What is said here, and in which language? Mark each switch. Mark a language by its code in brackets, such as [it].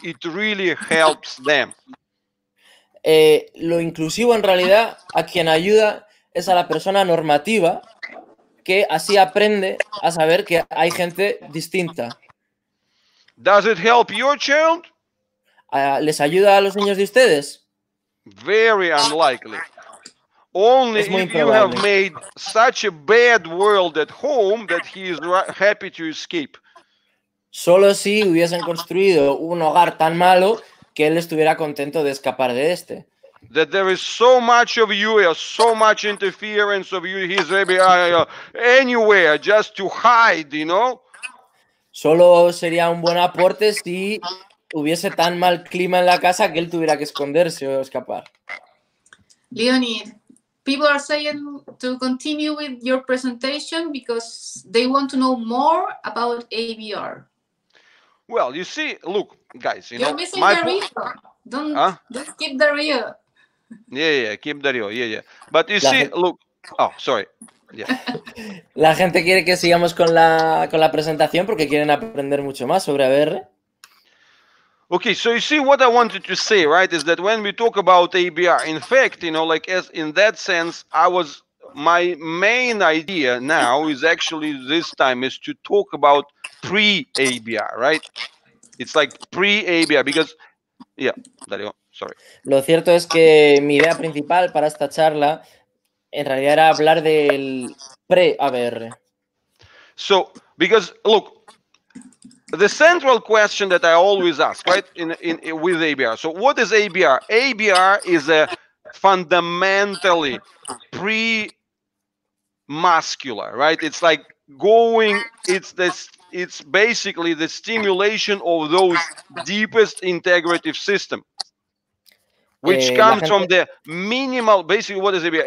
[en] It really helps them. [es] Lo inclusivo en realidad a quien ayuda es a la persona normativa que así aprende a saber que hay gente distinta. [en] Does it help your child? [es] ¿Les ayuda a los niños de ustedes? [en] Very unlikely. Only if you have made such a bad world at home that he is happy to escape. [es] Solo si hubiesen construido un hogar tan malo que él estuviera contento de escapar de este. [en] That there is so much of you, so much interference of you, he's maybe anywhere just to hide, you know? [es] Solo sería un buen aporte si hubiese tan mal clima en la casa que él tuviera que esconderse o escapar. [en] Leonid, people are saying to continue with your presentation because they want to know more about ABR. Well, you see, look, guys, you you're know, missing my the river. Don't, huh? Don't keep the river. Yeah, yeah, keep the river, yeah, yeah. But you see, look, oh, sorry. Yeah. [es] La gente quiere que sigamos con la presentación porque quieren aprender mucho más sobre ABR. [en] Okay, so you see what I wanted to say, right, is that when we talk about ABR, in fact, you know, like as in that sense, I was, my main idea now is actually this time is to talk about pre-ABR, right? It's like pre-ABR because, yeah, Dario, sorry. [es] Lo cierto es que mi idea principal para esta charla en realidad era hablar del pre-ABR. [en] So, because, look, the central question that I always ask, right, in with ABR. So what is ABR? ABR is a fundamentally pre-muscular, right? It's like going, it's basically the stimulation of those deepest integrative system, which comes from the minimal, basically what is ABR?